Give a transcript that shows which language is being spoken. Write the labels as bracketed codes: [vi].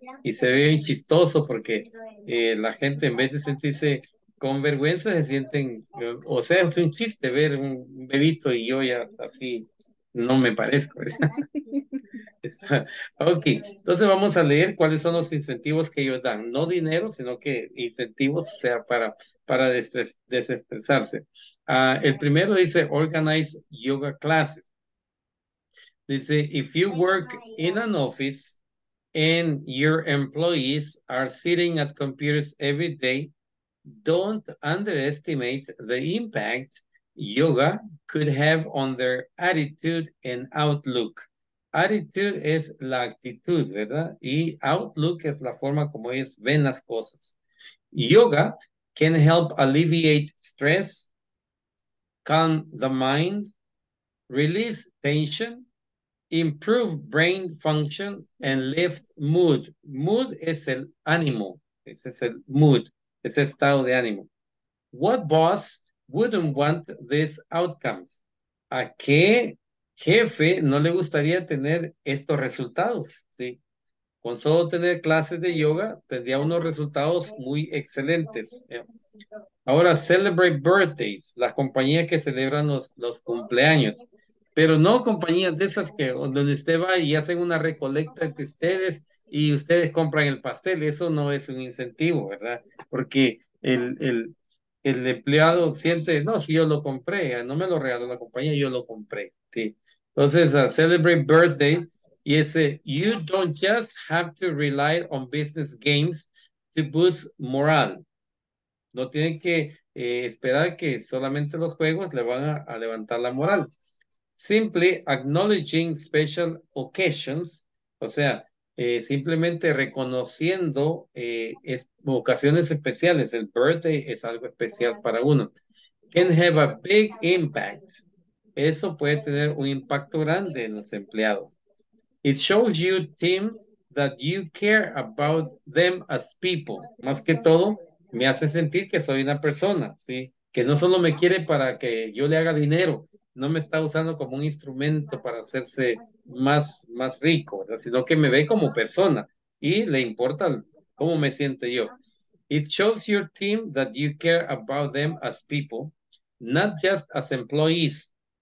[es] Y se ve bien chistoso porque la gente en vez de sentirse con vergüenza se sienten, o sea, es un chiste ver un bebito y yo ya así no me parezco. Ok, entonces vamos a leer cuáles son los incentivos que ellos dan, no dinero, sino que incentivos, o sea, para desestresarse. El primero dice, organize yoga classes. [en] Dice, if you work in an office and your employees are sitting at computers every day, don't underestimate the impact yoga could have on their attitude and outlook. [es] Attitude es la actitud, ¿verdad? Y outlook es la forma como ellos ven las cosas. [en] Yoga can help alleviate stress, calm the mind, release tension, improve brain function, and lift mood. [es] Mood es el ánimo. Ese es el mood. [en] Es el estado de ánimo. What boss wouldn't want these outcomes? [es] ¿A qué jefe no le gustaría tener estos resultados? ¿Sí? Con solo tener clases de yoga, tendría unos resultados muy excelentes. Ahora, celebrate birthdays, las compañías que celebran los cumpleaños. Pero no compañías de esas que donde usted va y hacen una recolecta entre ustedes y ustedes compran el pastel. Eso no es un incentivo, ¿verdad? Porque el empleado siente, no, si yo lo compré, no me lo regaló la compañía, yo lo compré. Sí. [en] Entonces, celebrate birthday y ese, you don't just have to rely on business games to boost morale. [es] No tienen que esperar que solamente los juegos le van a levantar la moral. Simply acknowledging special occasions, o sea, simplemente reconociendo ocasiones especiales. El birthday es algo especial para uno. Can have a big impact. Eso puede tener un impacto grande en los empleados. [en] It shows you, team, that you care about them as people. [es] Más que todo, me hace sentir que soy una persona, ¿sí? Que no solo me quiere para que yo le haga dinero, no me está usando como un instrumento para hacerse más rico, ¿verdad? Sino que me ve como persona y le importa cómo me siento yo. [en] It shows your team that you care about them as people, not just as employees.